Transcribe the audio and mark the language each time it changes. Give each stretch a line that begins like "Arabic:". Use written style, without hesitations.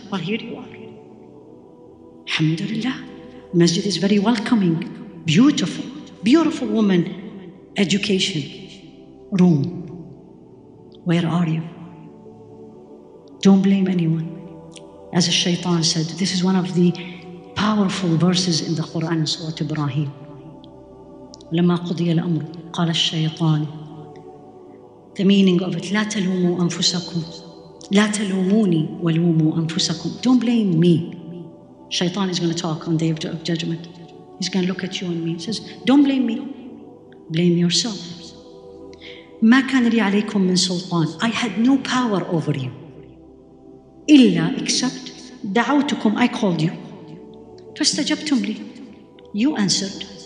English: Well, here you are. Alhamdulillah. Masjid is very welcoming. Beautiful. Beautiful woman. Education. Room. Where are you? Don't blame anyone. As the shaitan said, this is one of the powerful verses in the Quran, Surah Ibrahim.
Arabic: لما قضي الأمر قال الشيطان.
English: The meaning of it,
Arabic: لا تلوموا أنفسكم. لا تلوموني ولوموا أنفسكم.
English: Don't blame me. Shaitan is going to talk on the day of judgment. He's going to look at you and me. He says, don't blame me. Blame yourself.
Arabic: ما كان لي عليكم من سلطان.
English: I had no power over you. إلا except دعوتكم. I called you.
Arabic: فاستجبتم لي.
English: You answered.